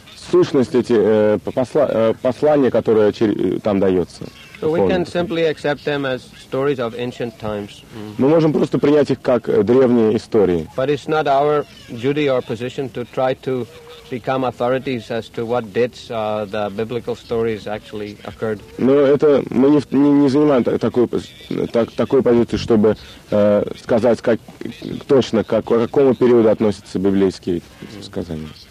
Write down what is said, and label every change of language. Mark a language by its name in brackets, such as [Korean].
[Russian] Сущность эти послания, которые там дается. [English] So we can simply accept them as stories of ancient times. [Russian] Мы можем просто принять их как древние истории. [English] But it's not our duty or position to try to become authorities as to what dates the biblical stories actually occurred. [Russian] Но это мы не занимаем такую позицию, чтобы сказать к какому периоду относятся библейские сказания.